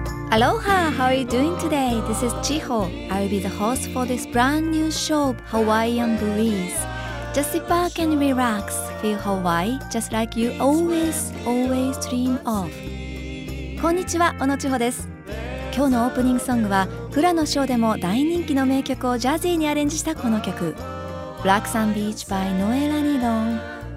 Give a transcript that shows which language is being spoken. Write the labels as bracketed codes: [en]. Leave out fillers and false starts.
[en] Aloha, how are you doing today? This is Chiho. I will be the host for this brand new show, Hawaiian Breeze. Just sit back and relax. Feel Hawaii, just like you always, always dream of. [ja] こんにちは、小野千穂です。今日のオープニングソングは、プラのショーでも大人気の名曲をジャズにアレンジしたこの曲。 [en] Black Sand Beach by Noella Nylon.